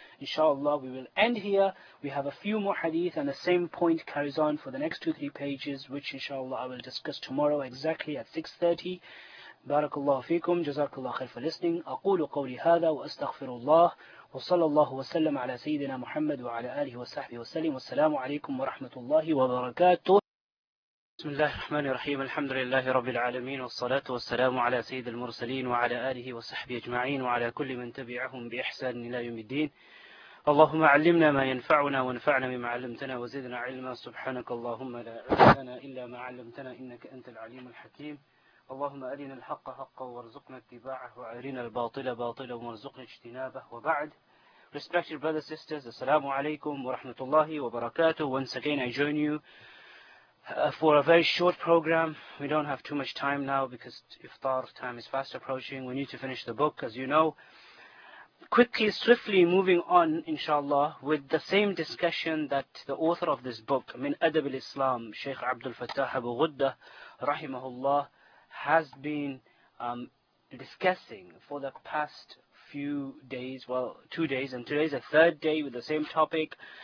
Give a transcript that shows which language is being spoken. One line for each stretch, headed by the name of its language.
English: Inshallah, we will end here. We have a few more hadith and the same point carries on for the next 2-3 pages, which inshallah I will discuss tomorrow exactly at 6:30.
Arabic: Barakallahu feekum, jazakallahu khair
English: for listening.
Arabic: Aqulu qawli hadha wa astaghfirullah. وصلى الله وسلم على سيدنا محمد وعلى آله وصحبه وسلم والسلام عليكم ورحمة الله وبركاته. بسم الله الرحمن الرحيم. الحمد لله رب العالمين والصلاة والسلام على سيد المرسلين وعلى آله وصحبه أجمعين وعلى كل من تبعهم بإحسان إلى يوم الدين. اللهم علمنا ما ينفعنا وانفعنا بما علمتنا وزدنا علما. سبحانك اللهم لا علم لنا إلا ما علمتنا إنك أنت العليم الحكيم. اللهم أرنا الحق حقا وارزقنا اتباعه وأرنا الباطل باطلا وارزقنا اجتنابه وبعد.
English: Respected brothers and sisters, assalamu alaikum wa rahmatullahi wa barakatuh. Once again I join you for a very short program. We don't have too much time now because iftar time is fast approaching. We need to finish the book, as you know. Quickly, swiftly moving on, inshallah, with the same discussion that the author of this book, Min Adab al-Islam, Shaykh Abdul Fattah Abu Ghuddah, rahimahullah, has been discussing for the past few days, 2 days, and today's the third day with the same topic.